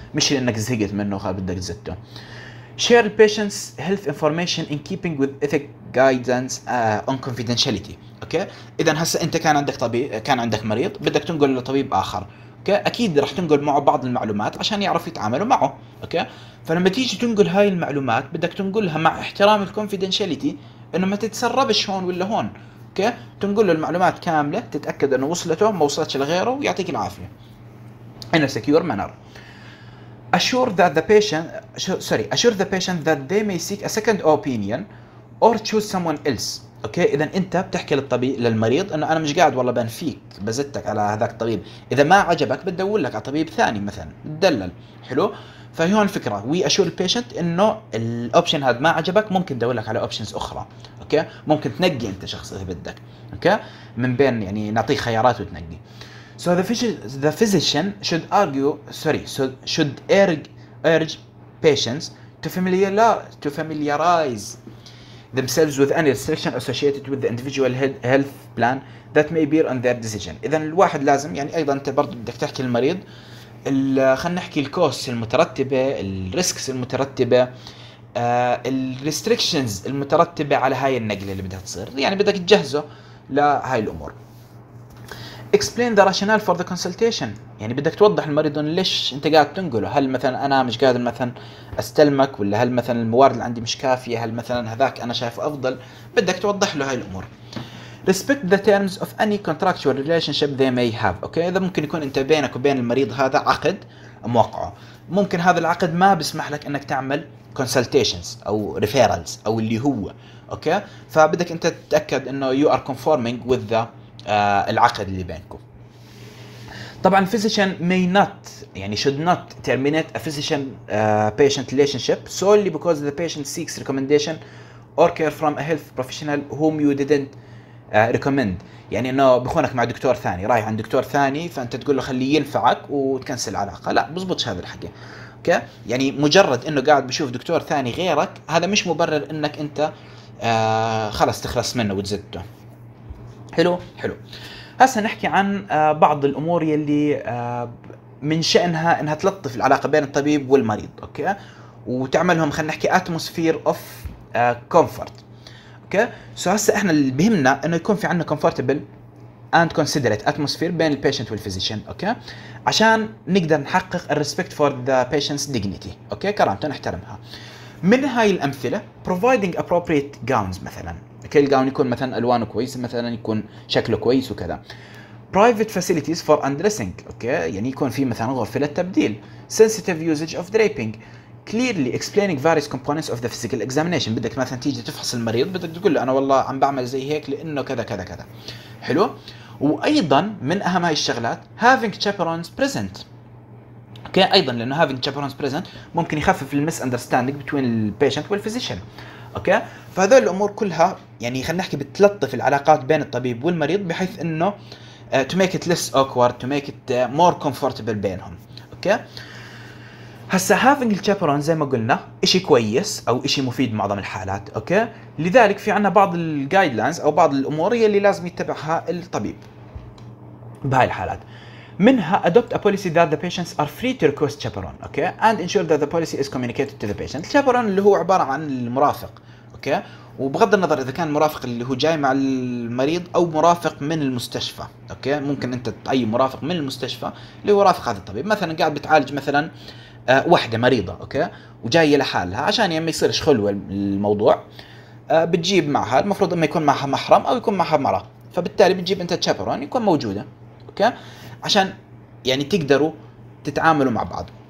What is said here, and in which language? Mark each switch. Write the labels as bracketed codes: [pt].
[ar] مش لانك زهقت منه وخلاص بدك تزته. [en] share patients health information in keeping with ethic guidance on confidentiality [ar] اوكي okay. اذا هسه انت كان عندك طبيب، كان عندك مريض بدك تنقل لطبيب اخر، اكيد راح تنقل معه بعض المعلومات عشان يعرف يتعاملوا معه، اوكي؟ فلما تيجي تنقل هاي المعلومات بدك تنقلها مع احترام الكونفيدنشاليتي، انه ما تتسربش هون ولا هون، اوكي؟ تنقل له المعلومات كامله، تتاكد انه وصلته ما وصلتش لغيره، ويعطيك العافيه. [en] In a secure manner. Assure that the patient, sorry, assure the patient that they may seek a second opinion or choose someone else. [ar] اوكي اذا انت بتحكي للطبيب للمريض انه انا مش قاعد والله بنفيك بزتك على هذاك الطبيب، اذا ما عجبك بتدور لك على طبيب ثاني مثلا تدلل. حلو. فهي هون الفكره وي اشور البيشنت انه الاوبشن هذا ما عجبك ممكن تدور لك على اوبشنز اخرى، اوكي ممكن تنقي انت شخص اذا بدك اوكي من بين يعني نعطيه خيارات وتنقي. [en] So the physician should argue sorry so should urge patients to familiarize themselves with any restriction associated with the individual health plan that may bear on their decision. [ar] إذا الواحد لازم يعني أيضا أنت برضو بدك تحكي للمريض خلينا نحكي الكوست المترتبة، الريسكس المترتبة، الريستريكشنز المترتبة على هاي النقلة اللي بدها تصير، يعني بدك تجهزه لهاي الأمور. [en] Explain the rationale for the consultation. [ar] يعني بدك توضح للمريض ليش انت قاعد تنقله، هل مثلا انا مش قادر مثلا استلمك، ولا هل مثلا الموارد اللي عندي مش كافيه، هل مثلا هذاك انا شايفه افضل، بدك توضح له هاي الامور. [en] Respect the terms of any contractual relationship they may have. [ar] اوكي اذا ممكن يكون انت بينك وبين المريض هذا عقد موقعه، ممكن هذا العقد ما بيسمح لك انك تعمل consultations او referrals او اللي هو اوكي، فبدك انت تتاكد انه [en] you are conforming with the [ar] العقد اللي بينكم. [en] طبعا physician may not يعني should not terminate a physician patient relationship solely because the patient seeks recommendation or care from a health professional whom you didn't recommend. [ar] يعني انه بخونك مع دكتور ثاني، رايح عند دكتور ثاني فانت تقول له خليه ينفعك وتكنسل العلاقه، لا بزبطش هذا الحكي. اوكي يعني مجرد انه قاعد بشوف دكتور ثاني غيرك هذا مش مبرر انك انت خلص تخلص منه وتزده. حلو حلو. هسه نحكي عن بعض الامور يلي من شأنها انها تلطف العلاقه بين الطبيب والمريض اوكي، وتعملهم خلينا نحكي اتموسفير اوف كومفورت اوكي. سو هسه احنا اللي بهمنا انه يكون في عندنا كومفورتبل اند كونسيدريت اتموسفير بين البيشنت والفيزيشن اوكي، عشان نقدر نحقق الريسبكت فور ذا بيشنتس ديجنيتي اوكي، كرامته نحترمها. من هاي الامثله بروفايدنج ابروبريت جاونز مثلا، كل جاون يكون مثلا الوانه كويس، مثلا يكون شكله كويس وكذا. [en] Private facilities for undressing okay, يعني يكون في مثلا غرفه للتبديل. Sensitive usage of draping, clearly explaining various components of the physical examination. [ar] بدك مثلا تيجي تفحص المريض بدك تقول له انا والله عم بعمل زي هيك لانه كذا كذا كذا. حلو. وايضا من اهم هاي الشغلات [en] having chaperones present. [ar] اوكي ايضا لانه [en] having chaperones present [ar] ممكن يخفف المس اندرستاندينج بين البيشنت والفيزيشن. اوكي فهذول الامور كلها يعني خلينا نحكي بتلطف العلاقات بين الطبيب والمريض بحيث انه [en] to make it less awkward, to make it more comfortable [ar] بينهم. اوكي هسا [en] having the chaperone [ar] زي ما قلنا اشي كويس او اشي مفيد معظم الحالات. اوكي لذلك في عنا بعض الجايدلاينز او بعض الامور يلي لازم يتبعها الطبيب بهاي الحالات. [en] منها adopt a policy that the patients are free to request chaperone. Okay and ensure that the policy is communicated to the patient. [ar] الشابرون اللي هو عبارة عن المرافق. اوكي وبغض النظر اذا كان مرافق اللي هو جاي مع المريض او مرافق من المستشفى. اوكي ممكن انت اي مرافق من المستشفى اللي هو رافق هذا الطبيب مثلا قاعد بتعالج مثلا واحدة مريضة اوكي وجاية لحالها عشان يعني ما يصيرش خلوة الموضوع بتجيب معها المفروض اما يكون معها محرم او يكون معها مرأة فبالتالي بتجيب انت تشابرون يكون موجودة اوكي عشان يعني تقدروا تتعاملوا مع بعض.